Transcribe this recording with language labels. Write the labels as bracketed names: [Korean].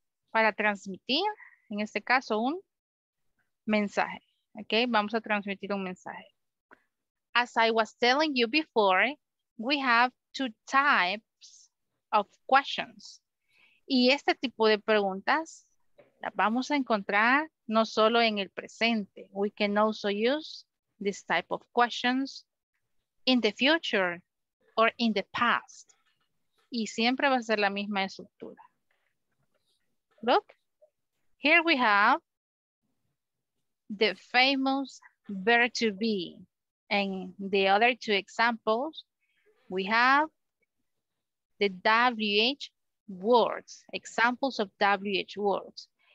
[Spanish] Para transmitir, en este caso, un mensaje. [English] Okay, [Spanish] vamos a transmitir un mensaje. [English] As I was telling you before, we have two types of questions. [Spanish] Y este tipo de preguntas las vamos a encontrar no solo en el presente. [English] We can also use this type of questions in the future or in the past. [Spanish] Y siempre va a ser la misma estructura. [English] Look, here we have the famous verb to be. And the other two examples, we have the WH words, examples of WH words.